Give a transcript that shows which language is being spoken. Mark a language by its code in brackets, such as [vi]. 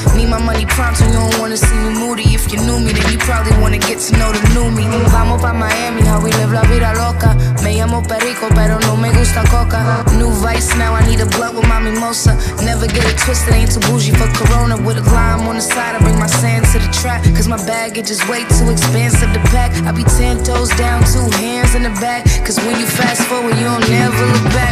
[en] Me, my money prompts, so you don't wanna see me moody. If you knew me, then you probably wanna get to know the new me. [es] Vamos pa' Miami, [en] how we live [es] la vida loca. Me llamo Perico, pero no me gusta coca. [en] New vice, now I need a blunt with my mimosa. Never get it twisted, ain't too bougie for Corona. With a lime on the side, I bring my sand to the trap. Cause my baggage is way too expensive to pack. I be 10 toes down, 2 hands in the back. Cause when you fast forward, you don't never look back.